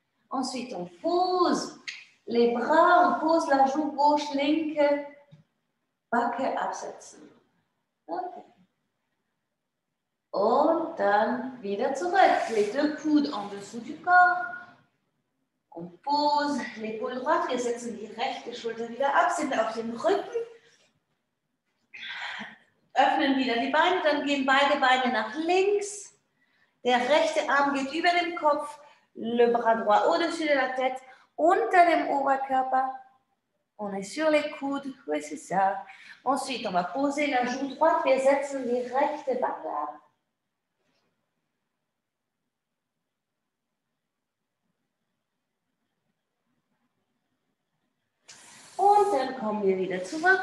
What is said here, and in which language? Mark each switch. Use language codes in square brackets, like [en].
[fr] Ensuite, on pose les bras, on pose la joue gauche, [de] linke, Backe absetzen. [fr] Okay. [de] Und dann wieder zurück. [fr] Les deux coudes en dessous du corps. On pose l'épaule droite. [de] Wir setzen die rechte Schulter wieder ab. Sind auf dem Rücken. Öffnen wieder die Beine. Dann gehen beide Beine nach links. Der rechte Arm geht über den Kopf. [fr] Le bras droit au-dessus de la tête. [de] Unter dem Oberkörper. [fr] On est sur les coudes. Oui, c'est ça. Ensuite, on va poser la joue droite. [de] Wir setzen die rechte Backe ab. Und dann kommen wir wieder zurück.